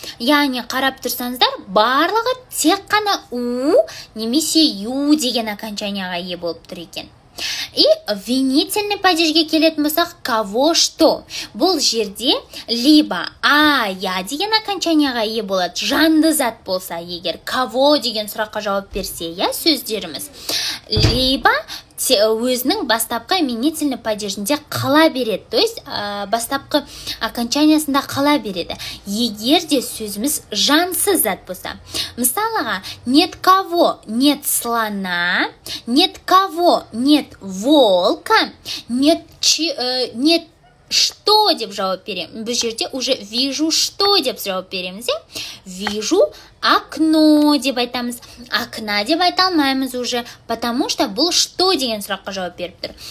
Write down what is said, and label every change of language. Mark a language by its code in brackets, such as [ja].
[kk] Яғни, қарап тұрсаңыздар, барлығы тек қана у немесе ю деген окончанияға ие болып тұр екен. И винительный падежге келетін болсақ, [ru] кого что? [kk] Бұл жерде [ru] либо [kk] а я деген окончанияға ие болады, жанды зат болса, егер кого деген сұраққа жауап берсе, я сөздеріміз, либо өзінің бастапқы именительный падежінде қала береді, [ru] то есть [kk] бастапқы окончаниясында қала береді, егер де сөзіміз жансыз зат болса. [ru] Мысалыға, нет кого — нет слона, нет кого — нет волка, нет нет что [kk] деп жауап береміз. Бұл жерде [ru] уже вижу что [kk] деп жауап береміз, [ru] вижу окно [kk] деп айтамыз, окна деп айта алмаймыз уже, [ru] потому что [kk] бұл что деген сұраққа жауап беріп тұр.